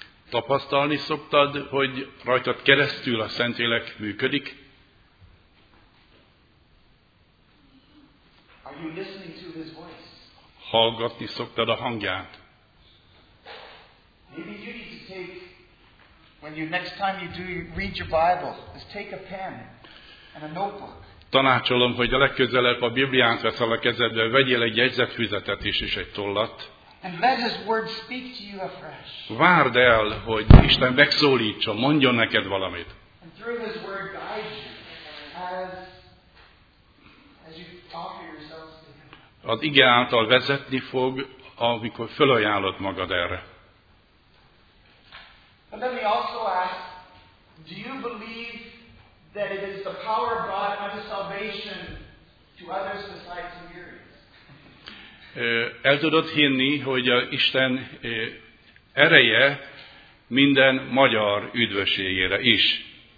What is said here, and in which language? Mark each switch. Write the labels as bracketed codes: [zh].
[hu] Tapasztalni szoktad, hogy rajtad keresztül a Szentlélek működik? [en] Are you listening to his voice? [hu] Hallgatni szoktad a hangját? [en] Maybe you need to take, when you next time you do read your Bible, is take a pen and a notebook. [hu] Tanácsolom, hogy a legközelebb a Bibliát veszel a kezedbe, vegyél egy jegyzetfüzetet is és egy tollat. [en] And let his word speak to you afresh. [hu] Várd el, hogy Isten megszólítson, mondjon neked valamit. [en] And through his word guide you as you offer yourselves to him. [hu] Az ige által vezetni fog, amikor fölajánlod magad erre. [en] And let me also ask, do you believe that it is the power of God unto salvation to others besides you? [hu] El tudod hinni, hogy a Isten ereje minden magyar üdvösségére is.